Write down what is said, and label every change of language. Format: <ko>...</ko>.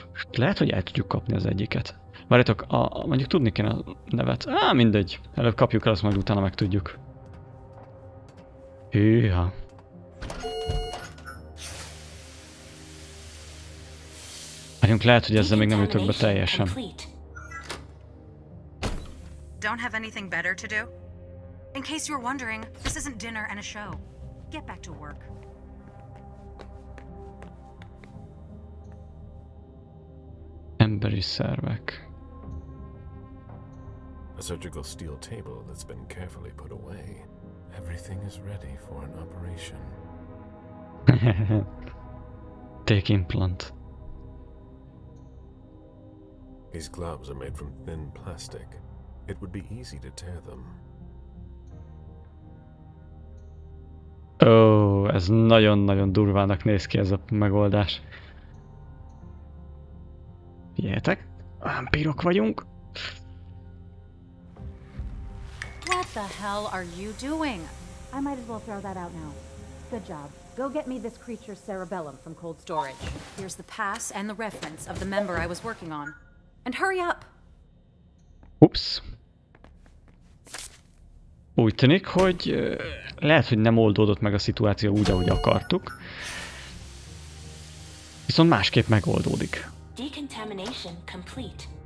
<hu>Lehet, hogy el tudjuk kapni az egyiket. Várjátok, mondjuk tudni kéne a nevet. Á, mindegy. Előbb kapjuk el, azt majd utána megtudjuk. Hűha. Várjunk, lehet, hogy ezzel még nem jutok be teljesen.</hu> <en>Don't have anything better to do? In case you're wondering, this isn't dinner and a show. Get back to work.</en> <hu>Emberi szervek.</hu> <en>A surgical steel table that's been carefully put away. Everything is ready for an operation. Take implant. These gloves are made from thin plastic. It would be easy to tear them.</en> <hu>Oh, ez nagyon-nagyon durvának néz ki ez a megoldás. Figyeljetek, vámpírok vagyunk.</hu> <en>What the hell are you doing? I might as well throw that out now. Good job. Go get me this creature's cerebellum from cold storage. Here's the pass and the reference of the member I was working on. And hurry up! Oops.</en> <hu>Úgy tűnik, hogy lehet, hogy nem oldódott meg a szituáció úgy, ahogy akartuk. Viszont másképp megoldódik.</hu> <en>Decontamination complete.</en>